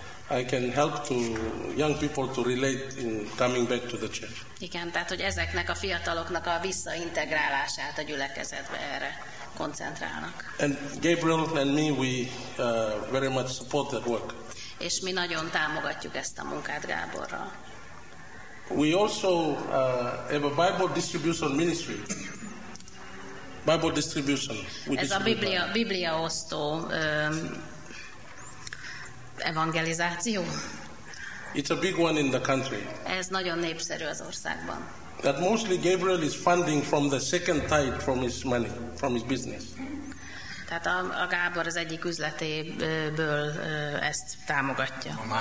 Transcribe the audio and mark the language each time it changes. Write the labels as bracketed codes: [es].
[en] I can help to young people to relate in coming back to the church. [hu] Igen, tehát hogy ezeknek a fiataloknak a visszaintegrálását a gyülekezetbe erre koncentrálnak. [en] And Gabriel and me, we very much support that work. [hu] És mi nagyon támogatjuk ezt a munkát Gáborral. [en] We also have a Bible distribution ministry. Bible distribution. [hu] Ez a Biblia osztó evangelizáció. [en] It's a big one in the country. [hu] Ez nagyon népszerű az országban. [en] That mostly Gabriel is funding from the second tithe from his money, from his business. [hu] Tehát a Gábor az egyik üzletéből ezt támogatja.